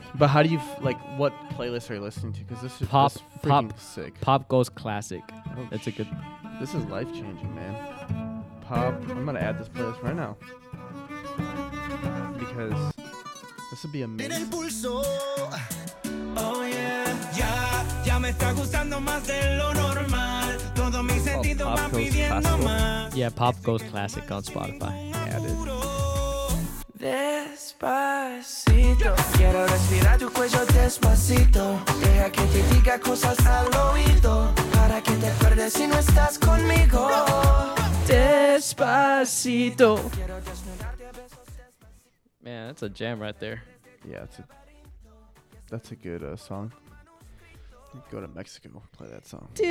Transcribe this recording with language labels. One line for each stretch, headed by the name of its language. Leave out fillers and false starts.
English: But how do you, what playlist are you listening to? Because this is pop, freaking sick. Pop goes classic. It's a good... This is life-changing, man. Pop, I'm going to add this playlist right now. Because this would be amazing.
Spanish: En el pulso.
English: Oh, yeah.
Spanish: Ya, ya me está gustando más de lo normal. Todo mi sentido va pidiendo más.
English: Yeah, pop goes classic on Spotify. Added.
Spanish: Despacito. Quiero respirar tu cuello despacito. Deja que te diga cosas al oído. Para que te acuerdes si no estás conmigo. Despacito.
English: Man, that's a jam right there. Yeah, that's a good song. Go to Mexico, play that song.